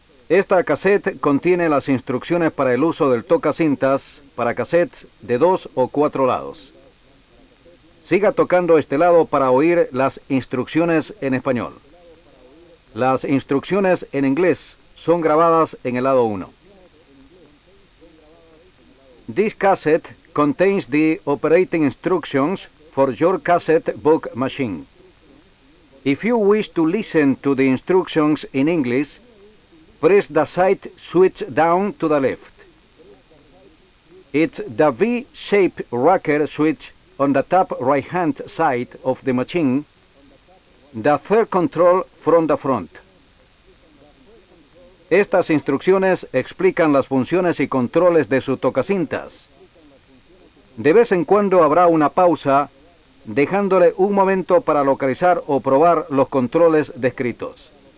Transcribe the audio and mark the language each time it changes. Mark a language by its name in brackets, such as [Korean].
[Spanish] Esta cassette contiene las instrucciones para el uso del tocacintas para cassettes de 2 o 4 lados. Siga tocando este lado para oír las instrucciones en español. Las instrucciones en inglés son grabadas en el lado 1. [English] This cassette contains the operating instructions for your cassette book machine. If you wish to listen to the instructions in English, press the side switch down to the left. It's the V-shaped rocker switch on the top right-hand side of the machine, the third control from the front. [Spanish] Estas instrucciones explican las funciones y controles de su tocacintas. De vez en cuando habrá una pausa, dejándole un momento para localizar o probar los controles descritos.